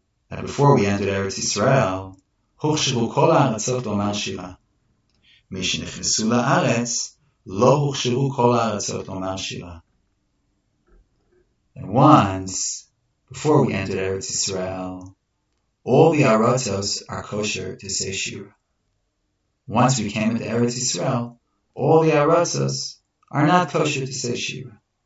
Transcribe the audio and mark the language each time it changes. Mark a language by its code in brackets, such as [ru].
[en] And before we entered Eretz Yisrael, [he] הוכשרו כל הארצות לומר שירה. מי שנכנסו לארץ, לא הוכשרו כל הארצות לומר שירה. [en] And once, before we entered Eretz Yisrael, all the Arotos are kosher to say Shira. Once we came into Eretz Yisrael, all the Arotos are not kosher to say Shira.